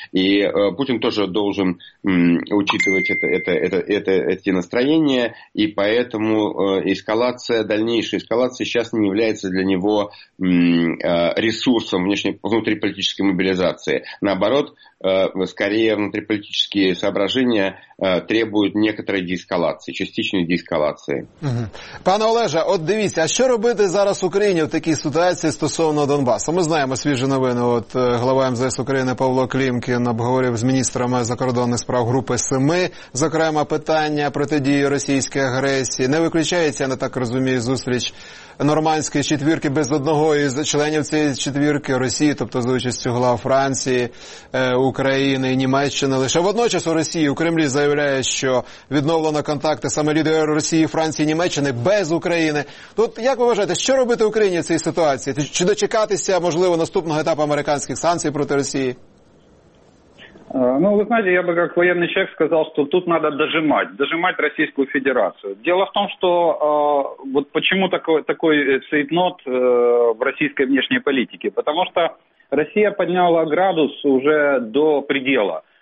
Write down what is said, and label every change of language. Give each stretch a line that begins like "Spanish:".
Russian: И Путин тоже должен учитывать эти настроения, и поэтому дальнейшая эскалация сейчас не является для него ресурсом внутриполитической мобилизации. Наоборот, скорее внутриполитические соображения требуют некоторой деэскалации, частичной деэскалации.
Ukrainian: Пане Олеже, от дивіться, а що робити зараз Україні в такій ситуації стосовно Донбасу? Ми знаємо свіжі новини. От глава МЗС України Павло Клімкін обговорив з міністрами закордонних справ групи 7, зокрема, питання протидії російській агресії. Не виключається, я не так розумію, зустріч нормандської четвірки без одного із членів цієї четвірки Росії, тобто за участю глав Франції, України і Німеччини. Лише водночас у Росії, у Кремлі, заявляють, заявляє, що відновлено контакти саме лідерів Росії, Франції, Німеччини без України. Тут як ви вважаєте, що робити Україні в цій ситуації? Чи дочекатися, можливо, наступного етапу американських санкцій проти Росії?
Russian: Ну, вы знаете, я бы как военный человек сказал, что тут надо дожимать, дожимать Российскую Федерацию. Дело в том, что вот почему такой цейтнот в российской внешней политике? Потому что Россия подняла градус уже до предела.